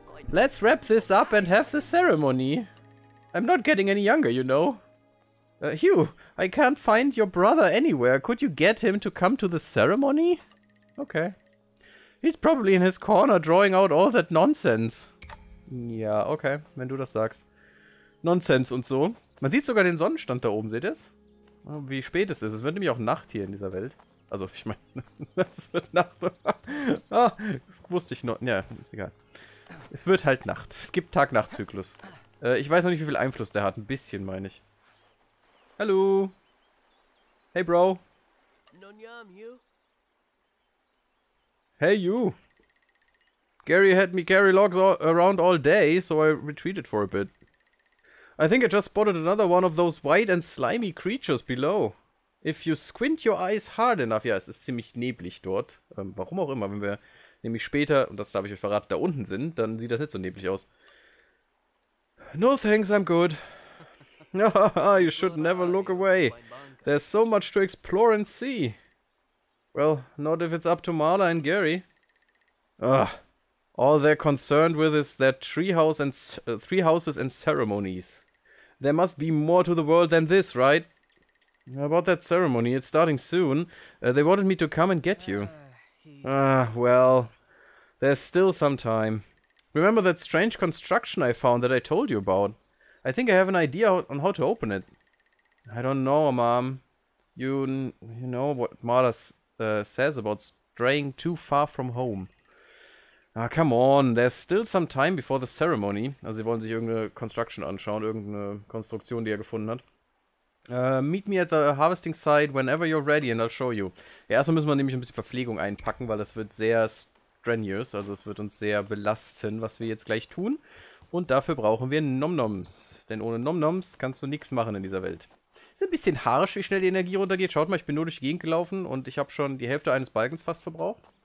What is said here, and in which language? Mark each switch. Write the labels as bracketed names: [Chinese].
[English] Let's wrap this up and have the ceremony. I'm not getting any younger, you know. Hugh, I can't find your brother anywhere. Could you get him to come to the ceremony? Okay. He's probably in his corner drawing out all that nonsense. [German] Ja, okay, wenn du das sagst. Nonsense und so. Man sieht sogar den Sonnenstand da oben, seht ihr es? Wie spät es ist. Es wird nämlich auch Nacht hier in dieser Welt. Also, ich meine, es wird Nacht. Ah, das wusste ich noch. Ja, ist egal. Es wird halt Nacht. Es gibt Tag-Nacht-Zyklus. Ich weiß noch nicht, wie viel Einfluss der hat. Ein bisschen, meine ich. [English] Hallo. Hey, Bro. Hey, you. Gary had me carry logs around all day, so I retreated for a bit. I think I just spotted another one of those white and slimy creatures below. If you squint your eyes hard enough. [German] Ja, es ist ziemlich neblig dort. Warum auch immer, wenn wir nämlich später, und das darf ich euch verraten, da unten sind, dann sieht das nicht so neblig aus. [English] No thanks, I'm good. You should never look away. There's so much to explore and see. Well, not if it's up to Marla and Gary. Ugh. All they're concerned with is their treehouse and treehouses and ceremonies. There must be more to the world than this, right? About that ceremony, it's starting soon. They wanted me to come and get you. Well, there's still some time. Remember that strange construction I found that I told you about? I think I have an idea on how to open it. I don't know, Mom. You know what Marla says about straying too far from home. Ah, come on, there's still some time before the ceremony. [German] Also sie wollen sich irgendeine Construction anschauen, irgendeine Konstruktion, die er gefunden hat. Meet me at the harvesting site whenever you're ready and I'll show you. Ja, erstmal müssen wir nämlich ein bisschen Verpflegung einpacken, weil das wird sehr strenuous, also es wird uns sehr belasten, was wir jetzt gleich tun. Und dafür brauchen wir Nomnoms, denn ohne Nomnoms kannst du nichts machen in dieser Welt. Ist ein bisschen harsch, wie schnell die Energie runtergeht. Schaut mal, ich bin nur durch die Gegend gelaufen und ich habe schon die Hälfte eines Balkens fast verbraucht.